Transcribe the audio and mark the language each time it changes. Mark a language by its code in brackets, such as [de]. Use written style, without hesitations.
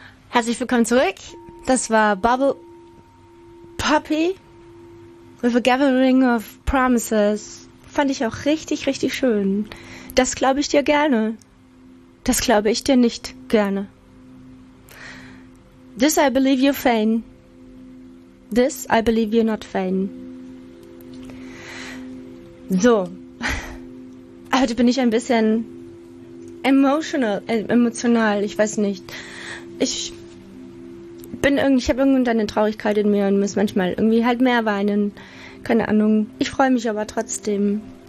[de] Herzlich willkommen zurück. Das war Bubble Puppy with a Gathering of Promises. Fand ich auch richtig, richtig schön. Das glaube ich dir gerne. Das glaube ich dir nicht gerne. [en] This I believe you're vain. This I believe you're not vain. [de] So. Heute bin ich ein bisschen emotional. Ich weiß nicht. Ich habe irgendwann eine Traurigkeit in mir und muss manchmal irgendwie halt mehr weinen. Keine Ahnung. Ich freue mich aber trotzdem.